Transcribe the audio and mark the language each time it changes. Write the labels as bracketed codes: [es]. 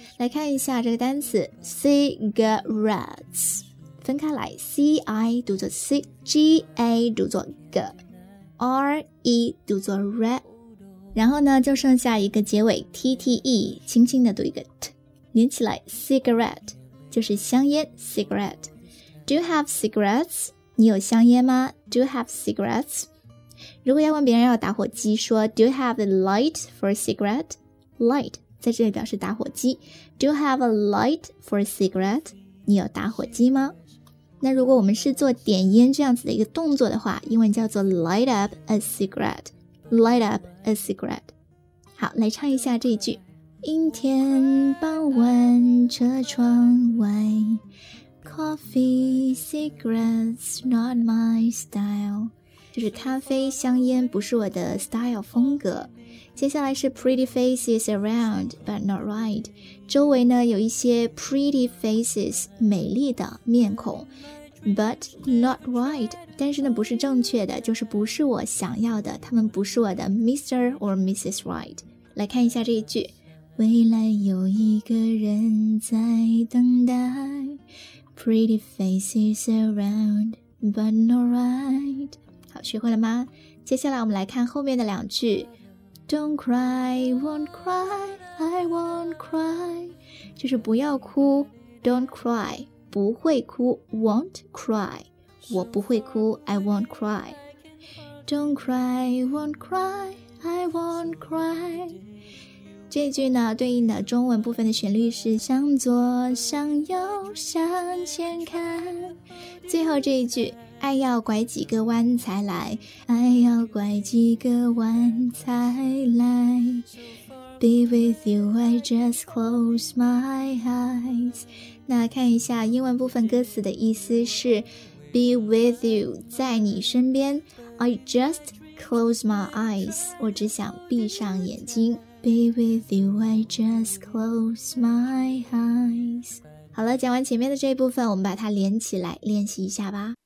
[zh] 来看一下这个单词 cigarettes， 分开来， C-I 读作 C， G-A 读作 G， R-E 读作 R， 然后呢就剩下一个结尾 T-T-E， 轻轻的读一个 T， 连起来 cigarette 就是香烟 cigarette。 [en] Do you have cigarettes？ [zh] 你有香烟吗？ [en] Do you have cigarettes？ [zh] 如果要问别人要打火机，说 [en] Do you have a light for a cigarette? [zh] Light 在这里表示打火机。 [en] Do you have a light for a cigarette? [zh] 你有打火机吗？那如果我们是做点烟这样子的一个动作的话，英文叫做 [en] light up a cigarette。 [zh] light up a cigarette. 好，来唱一下这一句。阴天傍晚车窗外， [en] Coffee, cigarettes, not my style. [zh] 就是咖啡香烟不是我的 style 风格。 [en] 接下来是 pretty faces around, but not right. [zh] 周围呢有一些 pretty faces, 美丽的面孔。 [en] But not right, [zh] 但是呢不是正确的，就是不是我想要的，他们不是我的 Mr. or Mrs. Right. 来看一下这一句。未来有一个人在等待， [en] Pretty faces around, but not right. [zh] 好，学会了吗？接下来我们来看后面的两句。 [en] Don't cry, won't cry, I won't cry. [zh] 就是不要哭， Don't cry. 不会哭 [en] won't cry, [zh] 我不会哭 [en] I won't cry. Don't cry, won't cry, I won't cry. [zh] 这句呢对应的中文部分的旋律是向左向右向前看，最后这一句爱要拐几个弯才来，爱要拐几个弯才来。 [en] Be with you, I just close my eyes. [zh] 那看一下英文部分歌词的意思是 [en] Be with you, [zh] 在你身边， [en] I just close my eyes, [zh] 我只想闭上眼睛。 [en] Be with you, I just close my eyes. [zh] 好了，讲完前面的这一部分，我们把它连起来练习一下吧。